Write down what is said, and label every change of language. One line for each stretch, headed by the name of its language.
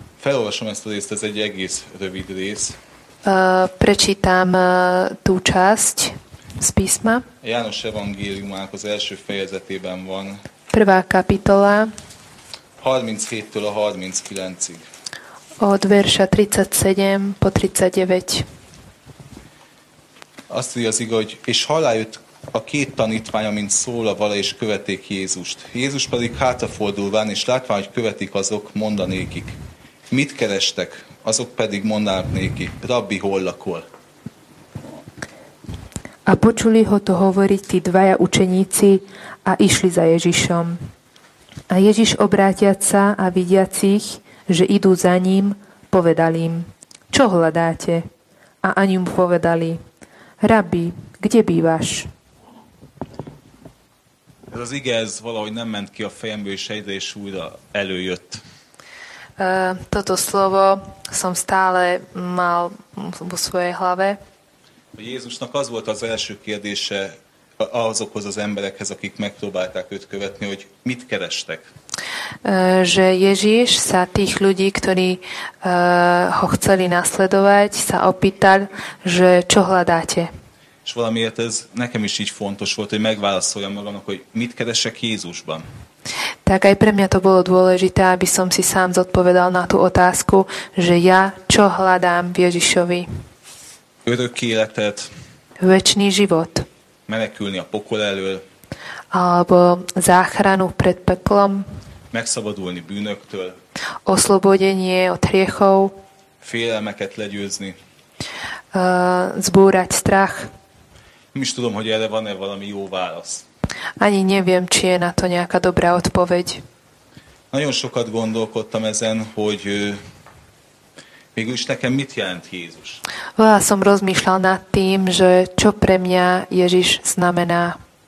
Hungarian: Felolvasom ezt a részt, ez egy egész rövid rész.
Slovak: Prečítam tú časť z písma.
Hungarian: János evangéliumának az első fejezetében van.
Slovak: Prvá kapitola.
Hungarian: 37-től a 39-ig.
Slovak: Od verša 37 po 39.
Hungarian: Azt írja az ige, hogy és halá jött a két tanítvány, amint szóla vala, és követék Jézust. Jézus pedig hátrafordulván, és látván, hogy követik azok, mondanékik. Mit kerestek? Azok pedig mondanák néki. Rabbi, hol lakol?
Slovak: A počuli ho to hovoriť tí dvaja učeníci a išli za Ježišom. A Ježiš obrátiac sa a vidiacich, že idú za ním, povedal im, čo hľadáte? A ani mu povedali, rabbi, kde bývaš?
Hungarian: Ez az ige, ez valahogy nem ment ki a fejemből, és egyre és újra előjött.
Slovak: Toto slovo som stále mal vo svojej hlave.
Hungarian: A Jézusnak az volt az első kérdése azokhoz az emberekhez, akik megpróbálták őt követni, hogy mit kerestek?
Slovak: Že Ježíš sa tých ľudí, ktorí ho chceli nasledovať, sa opýtal, že čo hľadáte.
Hungarian: És valamiért ez nekem is így fontos volt, hogy megválaszoljam magamnak, hogy mit keresek Jézusban.
Slovak: Tak aj pre mňa to bolo dôležité, aby som si sám zodpovedal na tú otázku, že ja čo hľadám v Ježišovi.
Hungarian: Örök életet.
Slovak: Večný život.
Hungarian: Menekülni a pokol elől.
Slovak: Alebo záchranu pred peklom.
Hungarian: Megszabadulni bűnöktől.
Slovak: Oslobodenie od hriechov.
Hungarian: Félelmeket legyőzni.
Slovak: Zbúrať strach.
Hungarian: Nem is tudom, hogy erre van-e valami jó válasz.
Slovak: Ani neviem, či je na to nejaká dobrá odpoveď.
Hungarian: Nagyon sokat gondolkodtam ezen, hogy végülis nekem mit jelent Jézus.
Slovak: Veľa som rozmýšľal nad tým, že čo pre mňa Ježiš znamená.